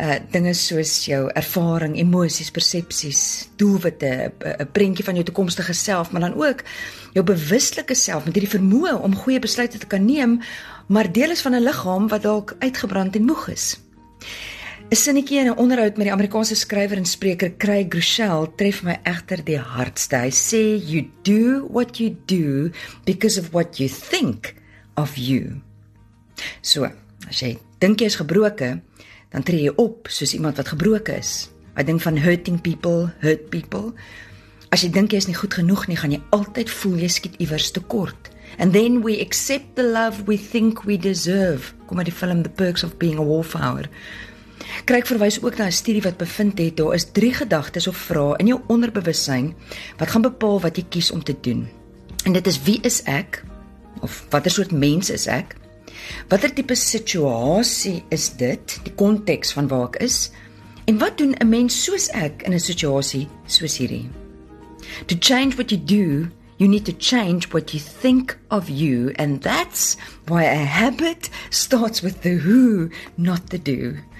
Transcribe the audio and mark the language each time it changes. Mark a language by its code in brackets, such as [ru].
[af] Dinge soos jou ervaring, emosies, persepsies, doelwitte, 'n prentjie van jou toekomstige self, maar dan ook jou bewustelike self met hierdie vermoë om goeie besluite te kan neem, maar deel is van 'n liggaam wat dalk uitgebrand en moeg is. 'N sinnetjie in 'n onderhoud met die Amerikaanse skrywer en spreker Craig Groeschel tref my egter die hardste. Hy sê, [en] you do what you do because of what you think of you. [af] So, as jy dink jy is gebroke, dan tree jy op soos iemand wat gebroke is. Hy dink van [en] hurting people, hurt people. [af] As jy dink jy is nie goed genoeg nie, gaan jy altyd voel jy skiet iewers tekort. [en] And then we accept the love we think we deserve. [af] Kom uit die film The Perks of Being a Wallflower. Kryk verwys ook na 'n studie wat bevind het, daar is drie gedagtes of vrae in jou onderbewussyn wat gaan bepaal wat jy kies om te doen. En dit is wie is ek, of watter soort mens is ek, watter type situasie is dit, die konteks van waar ek is, en wat doen 'n mens soos ek in 'n situasie soos hierdie? [en] To change what you do, you need to change what you think of you, and that's why a habit starts with the who, not the do.